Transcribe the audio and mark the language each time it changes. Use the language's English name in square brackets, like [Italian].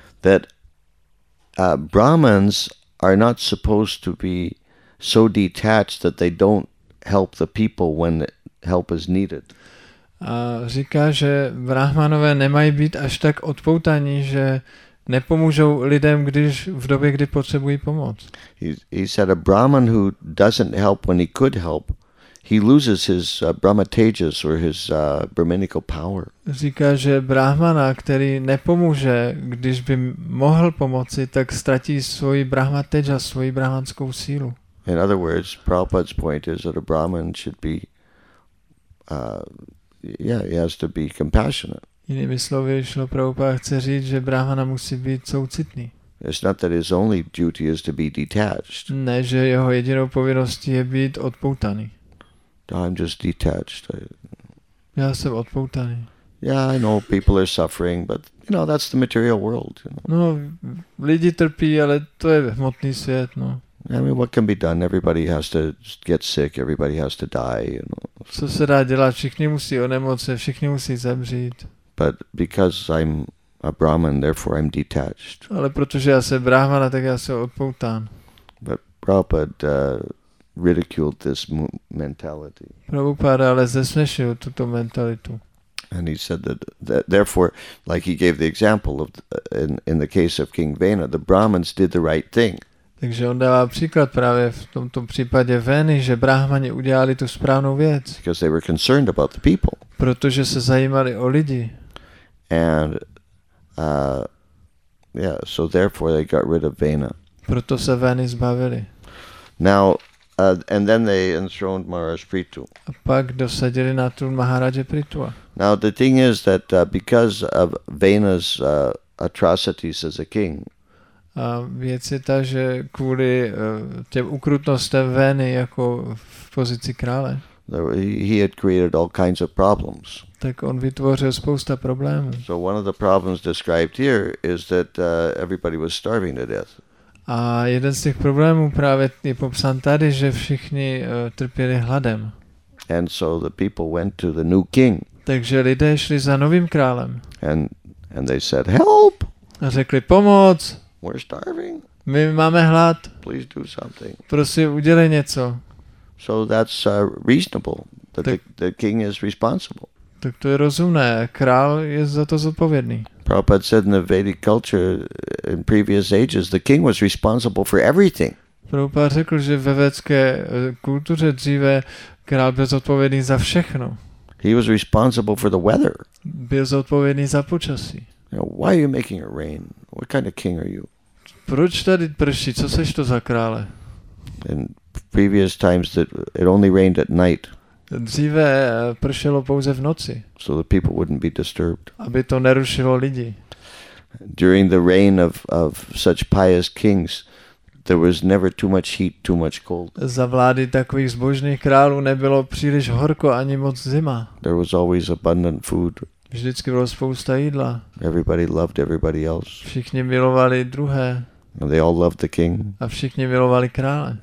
[English] That Brahmins are not supposed to be so detached that they don't help the people when help is needed. [Czech] A říká, že Brahmanové nemají být až tak odpoutaní, že nepomůžou lidem, když v době, kdy potřebují pomoc. [English] He said a Brahman who doesn't help when he could help, he loses his Brahma Tejas or his brahminical power. [Czech] Říká, že Brahmana, který nepomůže, když by mohl pomoci, tak ztratí svoji Brahma Tejas, svoji brahmanskou sílu. [English] In other words, Prabhupada's point is that a Brahman should be, he has to be compassionate. [Czech] Jinými slovy, šlo Prabhupada chce říct, že Brahmana musí být soucitný. [English] It's not that his only duty is to be detached. [Czech] Ne, že jeho jedinou povinností je být odpoutaný. [English] I'm just detached. [Czech] Já jsem odpoutaný. [English] Yeah, I know people are suffering, but you know that's the material world. You know. [Czech] No, lidi trpí, ale to je hmotný svět, no. [English] I mean, what can be done? Everybody has to get sick. Everybody has to die. You know. [Czech] Co se dá dělat? Všichni musí onemocnět. Všichni musí zemřít. [English] But because I'm a Brahman, therefore I'm detached. [Czech] Ale protože já jsem Brahman, tak já jsem odpoután. [English] But Prabhupada ridiculed this mentality. [Czech] Prabhupada ale zesměšil tuto mentalitu. [English] And he said that therefore, like he gave the example of in the case of King Vena, the Brahmins did the right thing. [Czech] Takže on dává příklad právě v tomto případě Veny, že Brahmani udělali tu správnou věc. [English] Because they were concerned about the people. [Czech] Protože se zajímali o lidi. [English] And so therefore they got rid of Vena. [Czech] Proto se Veny zbavili. [English] Now and then they enthroned Maharaj Prithu. [Czech] A pak dosadili na trůn Maharaje Prithua. [English] Now the thing is that because of Vena's atrocities as a king. [Czech] A věc je ta, že kvůli těm ukrutnostem Veny jako v pozici krále. [English] He had created all kinds of problems. [Czech] Tak on vytvořil spousta problémů. [English] So one of the problems described here is that everybody was starving to death. [Czech] A jeden z těch problémů právě je popsán tady, že všichni trpěli hladem. [English] And so the people went to the new king. [Czech] Takže lidé šli za novým králem. [English] And they said, help! [Czech] A řekli, pomoc! [English] We're starving. [Czech] My máme hlad. [English] Please do something. [Czech] Prosím, udělej něco. [English] So that's reasonable. The king is responsible. [Czech] Tak to je rozumné. Král je za to zodpovědný. [English] Prabhupada said in the Vedic culture in previous ages the king was responsible for everything. [Czech] Prabhupada řekl, že ve vedské kultuře dříve král byl zodpovědný za všechno. [English] He was responsible for the weather. [Czech] Byl zodpovědný za počasí. [English] You know, why are you making it rain? What kind of king are you? [Czech] Proč tady prší? Co seš to za krále? [English] In previous times that it only rained at night. [Czech] Dříve pršelo pouze v noci. [English] So the people wouldn't be disturbed. [Czech] Aby to nerušilo lidi. [English] During the reign of such pious kings, there was never too much heat, too much cold. [Czech] Za vlády takových zbožných králů nebylo příliš horko ani moc zima. [English] There was always abundant food. [Czech] Vždycky bylo spousta jídla. [English] Everybody loved everybody else. [Czech] Všichni milovali druhé. [English] And they all loved the king. [Czech] A všichni milovali krále.